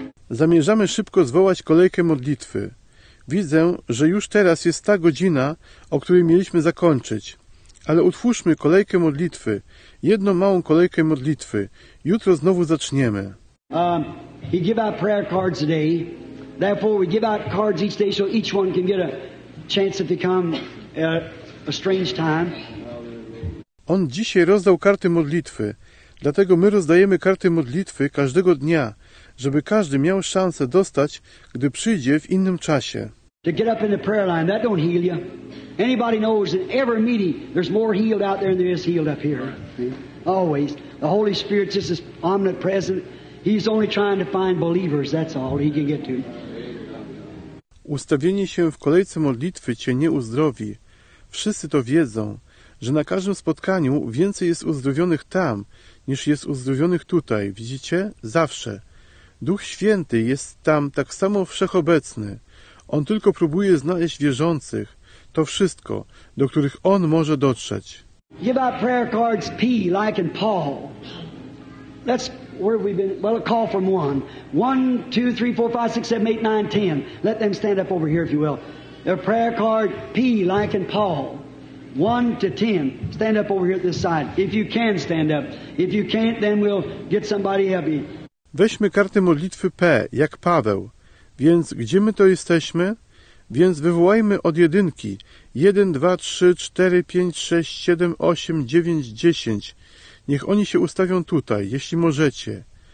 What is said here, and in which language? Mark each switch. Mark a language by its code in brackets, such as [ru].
[pl] Zamierzamy szybko zwołać kolejkę modlitwy. Widzę, że już teraz jest ta godzina, o której mieliśmy zakończyć. Ale utwórzmy kolejkę modlitwy, jedną małą kolejkę modlitwy. Jutro znowu zaczniemy. [en] He give out prayer cards today. Therefore we give out cards each day so each one can get a chance if they come at a strange time. [pl] On dzisiaj rozdał karty modlitwy. Dlatego my rozdajemy karty modlitwy każdego dnia, żeby każdy miał szansę dostać, gdy przyjdzie w innym czasie. [en] To get up in the prayer line, that don't heal you. Anybody knows that every meeting there's more healed out there than there is healed up here. Always. The Holy Spirit just is omnipresent. He's only trying to find believers, that's all he can get to. [pl] Ustawienie się w kolejce modlitwy cię nie uzdrowi. Wszyscy to wiedzą, że na każdym spotkaniu więcej jest uzdrowionych tam, niż jest uzdrowionych tutaj. Widzicie? Zawsze. Duch Święty jest tam tak samo wszechobecny. On tylko próbuje znaleźć wierzących. To wszystko, do których On może dotrzeć. [en] Give out prayer cards P, like in Paul. Let's, where have we been? Well, a call from one. One, two, three, four, five, six, seven, eight, nine, ten. Let them stand up over here, if you will. Their prayer card P, like in Paul. One to ten. Stand up over here at this side. If you can, stand up. If you can't, then we'll get somebody help you. [pl] Weźmy kartę modlitwy P, jak Paweł. Więc gdzie my to jesteśmy? Więc wywołajmy od jedynki. 1, 2, 3, 4, 5, 6, 7, 8, 9, 10. Niech oni się ustawią tutaj, jeśli możecie.